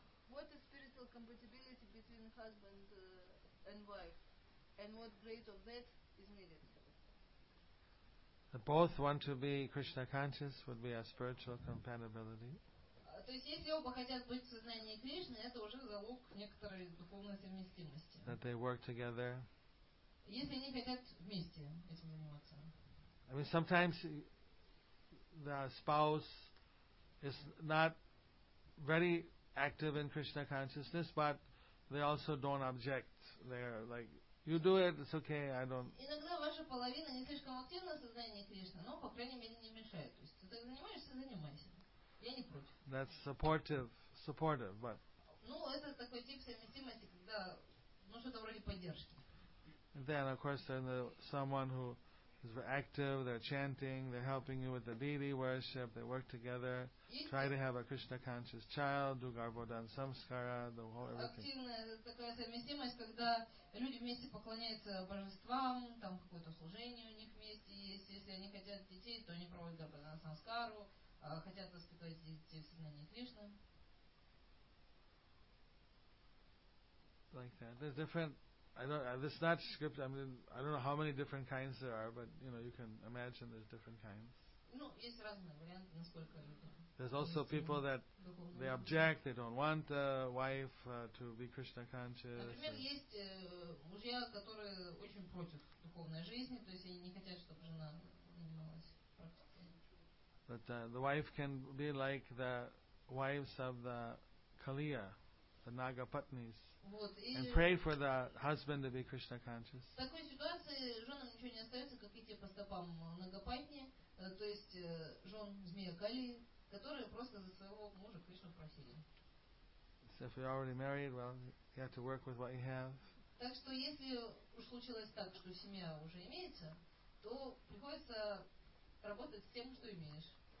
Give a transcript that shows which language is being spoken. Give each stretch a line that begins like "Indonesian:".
English: What is spiritual compatibility between husband and wife, and what grade of that is needed? That both want to be Krishna conscious would be a spiritual compatibility.
Russian: То есть если оба хотят быть в сознании Кришны, это уже залог некоторой духовной совместимости.
English: That they work together.
Russian: Если они хотят вместе этим заниматься.
English: I mean, sometimes the spouse is not very active in Krishna consciousness, but they also don't object. They're like, you do it, it's okay, I don't.
Russian: Иногда ваша половина не слишком активна в сознании Кришны, но по крайней мере не мешает. То есть ты так занимаешься, занимайся. Я не против.
English: That's supportive, but.
Russian: Ну, это такой тип совместимости, когда ну что-то вроде поддержки.
English: And then, of course, there's someone who is very active, they're chanting, they're helping you with the deity worship, they work together, try to have a Krishna conscious child, do garbhodan samskara, the whole everything.
Russian: Такая совместимость, когда люди вместе поклоняются божествам, там какое-то служение у них вместе есть, если они хотят детей, то они проводят garbhodan samskaru, хотят воспитывать детей в сознании Кришны.
English: Like that. There's different. This is not script. I mean, I don't know how many different kinds there are, but you know, you can imagine there's different kinds.
Russian: Ну, есть разные варианты, насколько люди.
English: There's also people that they object. They don't want the wife to be Krishna conscious.
Russian: Например, есть мужья, которые очень против духовной жизни, то есть они не хотят, чтобы жена занималась.
English: But the wife can be like the wives of the Kaliya. The Naga Patnis,
Russian: вот,
English: and pray for the husband to be Krishna conscious.
Russian: В такой ситуации женам ничего не остается, как идти по стопам Нагапатни, то есть жен змея Кали, которые просто за своего мужа Кришну просили.
English: So if you're already married, well, you have to work with what you have.
Russian: Так что если уж случилось так, что семья уже имеется, то приходится работать с тем, что имеешь.